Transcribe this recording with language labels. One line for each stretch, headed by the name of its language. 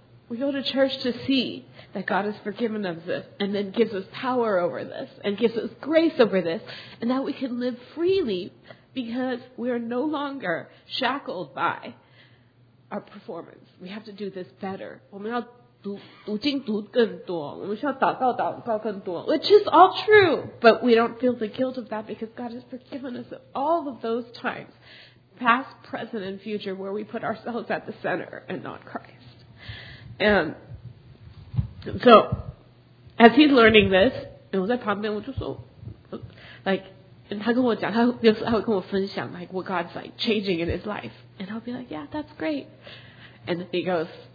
English: We go to church to see that God has forgiven us this and then gives us power over this and gives us grace over this and that we can live freely because we are no longer shackled by our performance. We have to do this better.
Chinese: 我们要读经读更多，我们需要祷告祷告更多。
English: Which is all true, but we don't feel the guilt of that because God has forgiven us of all of those times, past, present, and future, where we put ourselves at the center and not Christ. And so, as he's learning this,
Chinese: 我在旁边我就说
English: ，like，
Chinese: 他跟我讲，他有时他会跟我分享
English: ，like what God's like changing in his life, and I'll be like, yeah, that's great, and he goes.